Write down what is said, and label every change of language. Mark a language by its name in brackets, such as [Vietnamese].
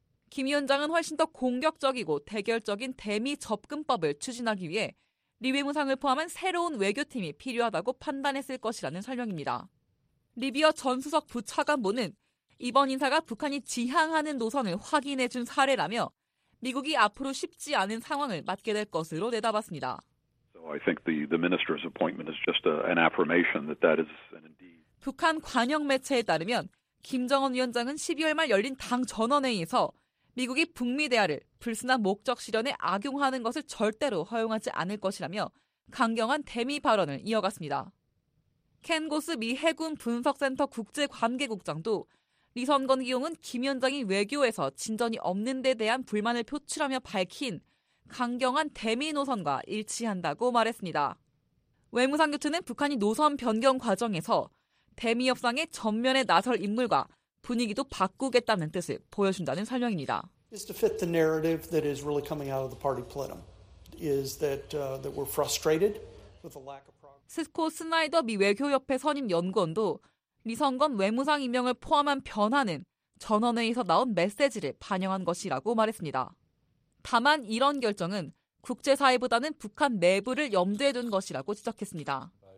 [Korean] 김 위원장은 훨씬 더 공격적이고 대결적인 대미 접근법을 추진하기 위해 리 외무상을 포함한 새로운 외교팀이 필요하다고 판단했을 것이라는 설명입니다. 리비어 전 수석 부차관보는 이번 인사가 북한이 지향하는 노선을 확인해 준 사례라며 미국이 앞으로 쉽지 않은 상황을 맞게 될 것으로 내다봤습니다. [English] I think the minister's appointment is just an affirmation that that is an indeed. [Korean] 북한 관영 매체에 따르면 김정은 위원장은 12월 말 열린 당 전원회의에서 미국이 북미 대화를 불순한 목적 실현에 악용하는 것을 절대로 허용하지 않을 것이라며 강경한 대미 발언을 이어갔습니다. 켄 고스 미 해군 분석센터 국제관계국장도 리 선건 기용은 김 위원장이 외교에서 진전이 없는 데 대한 불만을 표출하며 밝힌 강경한 대미 노선과 일치한다고 말했습니다. 외무상 교체는 북한이 노선 변경 과정에서 대미 협상에 전면에 나설 인물과 분위기도 바꾸겠다는 뜻을 보여준다는 설명입니다. [English] It's to fit the narrative that is really coming out of the party plenum is that that we're frustrated with the lack of progress. [Korean] 스코 스나이더 미 외교협회 선임 연구원도 리 선건 외무상 임명을 포함한 변화는 전원회의에서 나온 메시지를 반영한 것이라고 말했습니다. 다만 이런 결정은 국제사회보다는 북한 내부를 염두에 둔 것이라고 지적했습니다.